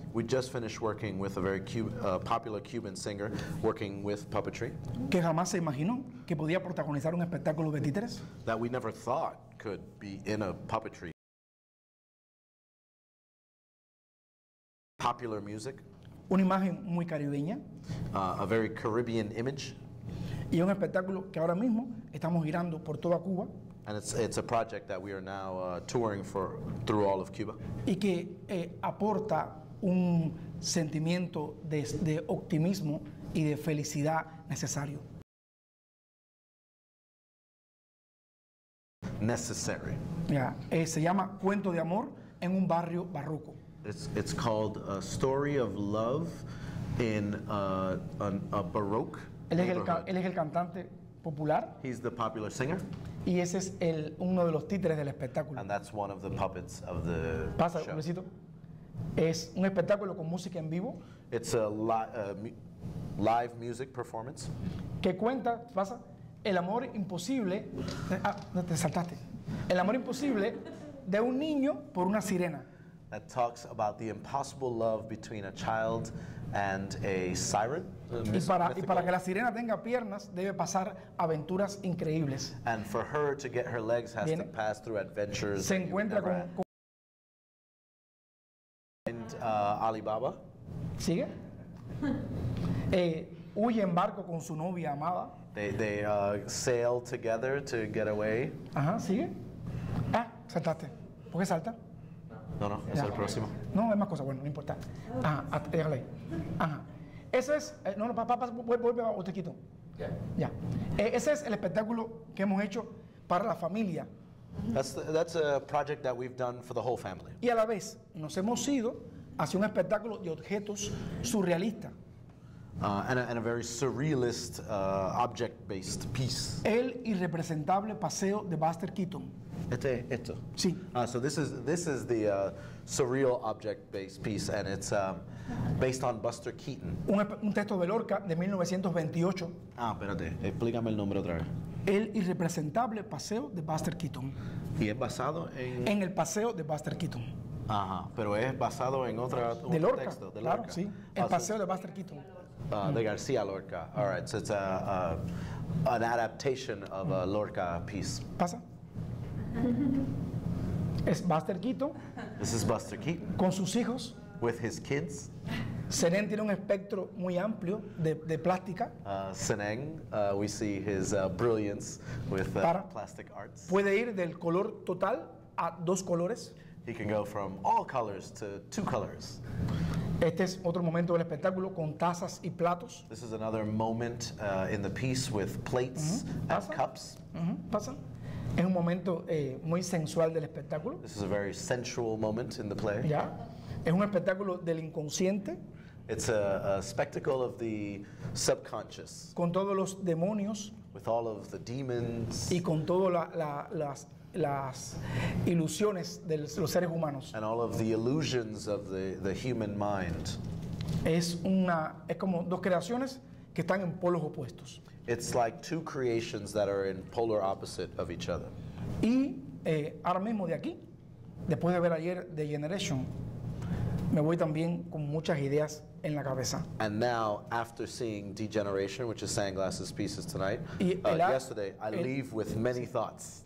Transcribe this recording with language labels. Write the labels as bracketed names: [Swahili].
[English] We just finished working with a very popular Cuban singer working with puppetry. [Spanish] Que jamás se imaginó que podía protagonizar un espectáculo 23. [English] That we never thought could be in a puppetry. Popular music. [Spanish] Una imagen muy caribeña. [English] A very Caribbean image. [Spanish] Y un espectáculo que ahora mismo estamos girando por toda Cuba. [English] And it's a project that we are now touring for through all of Cuba. [Spanish] Y que aporta un sentimiento de optimismo y de felicidad necesario. [English] Necessary. Yeah. [Spanish] Se llama Cuento de Amor en un Barrio Barroco. [English] It's called A Story of Love in a Baroque. [Spanish] Él es el cantante popular. [English] He's the popular singer. [Spanish] Y ese es uno de los títeres del espectáculo. [English] And that's one of the puppets of the [Spanish] Pasa, [English] show. [Spanish] Un besito. Es un espectáculo con música en vivo. [English] It's a live music performance. [Spanish] Que cuenta, pasa, el amor imposible. Te saltaste. El amor imposible de un niño por una sirena. [English] That talks about the impossible love between a child and a siren. [Spanish] Y para que la sirena tenga piernas, debe pasar aventuras increíbles. [English] And for her to get her legs has to pass through adventures. [Spanish] Se encuentra con Alibaba. ¿Sigue? Huye en barco con su novia amada. [English] They sail together to get away. [Spanish] Ajá, ¿sigue? Ah, saltaste. ¿Por qué salta? No, es el próximo. No, hay más cosas, bueno, no importa. Ajá, déjale ahí. Ajá. Eso es, vuelve o te quito. Yeah. Ya. Ese es el espectáculo que hemos hecho para la familia. [English] That's a project that we've done for the whole family. [Spanish] Y a la vez, nos hemos ido hacia un espectáculo de objetos surrealista. [English] And a very surrealist, object-based piece. [Spanish] El irrepresentable paseo de Buster Keaton. Esto. Sí. [English] So this is the surreal object-based piece, and it's based on Buster Keaton. [Spanish] Un texto de Lorca de 1928. Espérate, explícame el nombre otra vez. El irrepresentable paseo de Buster Keaton. Y es basado en... En el paseo de Buster Keaton. Ajá, pero es basado en otro de Lorca, texto. De claro, Lorca, sí. El paseo de Buster Keaton. De García Lorca. [English] All right, so it's an adaptation of a Lorca piece. [Spanish] Pasa. Es Buster Keaton. [English] This is Buster Keaton. [Spanish] Con sus hijos. [English] With his kids. [Spanish] Senen tiene un espectro muy amplio de plástica. [English] Senen, we see his brilliance with plastic arts. [Spanish] Puede ir del color total a dos colores. [English] He can go from all colors to two colors. [Spanish] Este es otro momento del espectáculo con tazas y platos. [English] This is another moment in the piece with plates and cups. [Spanish] Pasa. Es un momento muy sensual del espectáculo. [English] This is a very sensual moment in the play. [Spanish] Ya. Es un espectáculo del inconsciente. [English] It's a spectacle of the subconscious. [Spanish] Con todos los demonios. [English] With all of the demons. [Spanish] Y con todas las ilusiones de los seres humanos. [English] And all of the illusions of the human mind. [Spanish] Es como dos creaciones que están en polos opuestos. [English] It's like two creations that are in polar opposite of each other. [Spanish] Y ahora mismo de aquí, después de ver ayer The Generation, me voy también con muchas ideas en la cabeza. [English] And now, after seeing Degeneration, which is Sanglass's pieces tonight, yesterday, I leave with many thoughts.